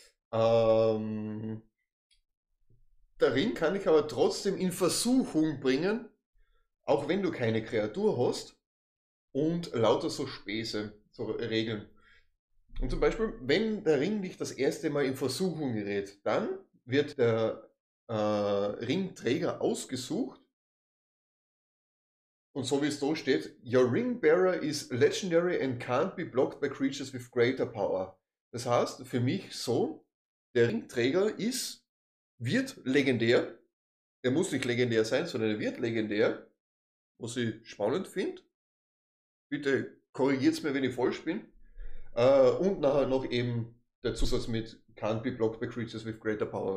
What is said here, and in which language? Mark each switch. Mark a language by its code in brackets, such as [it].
[de] Der Ring kann dich aber trotzdem in Versuchung bringen, auch wenn du keine Kreatur hast, und lauter so Späße zu regeln. Und zum Beispiel, wenn der Ring dich das erste Mal in Versuchung gerät, dann wird der Ringträger ausgesucht Und so wie es da steht, [en] your ring bearer is legendary and can't be blocked by creatures with greater power. [de] Das heißt, für mich so, der Ringträger ist, wird legendär. Er muss nicht legendär sein, sondern er wird legendär. Was ich spannend finde. Bitte korrigiert es mir, wenn ich falsch bin. Und nachher noch eben der Zusatz mit [en] can't be blocked by creatures with greater power.